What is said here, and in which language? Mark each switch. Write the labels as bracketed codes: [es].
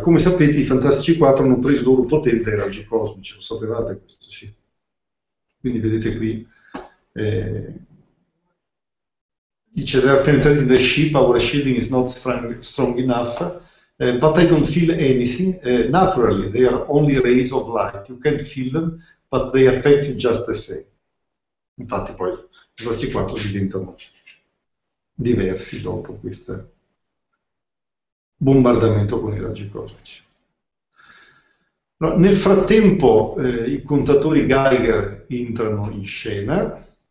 [it] Come sapete, i fantastici 4 hanno preso il loro potere dai raggi cosmici, lo sapevate questo, sì. Quindi vedete qui, dice: [en] "They are penetrating the ship, our shielding is not strong enough, but I don't feel anything. Naturally, they are only rays of light. You can't feel them, but they affect you just the same." [it] Infatti poi questi quattro diventano diversi dopo questo bombardamento con i raggi cosmici. Nel frattempo i contatori Geiger entrano in scena.